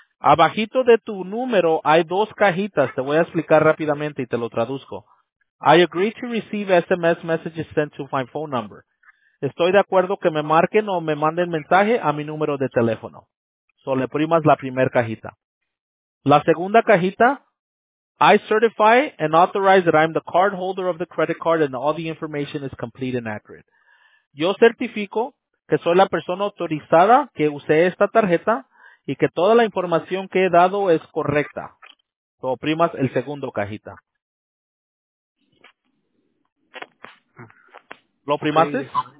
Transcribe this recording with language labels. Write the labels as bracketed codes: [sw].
[es] Abajito de tu número hay dos cajitas, te voy a explicar rápidamente y te lo traduzco. [en] I agree to receive SMS messages sent to my phone number. [es] Estoy de acuerdo que me marquen o me manden mensaje a mi número de teléfono. So le primas la primera cajita. La segunda cajita, [en] I certify and authorize that I'm the card holder of the credit card and all the information is complete and accurate. [es] Yo certifico que soy la persona autorizada que usé esta tarjeta y que toda la información que he dado es correcta. So primas el segundo cajita. ¿Lo primaste? Sí.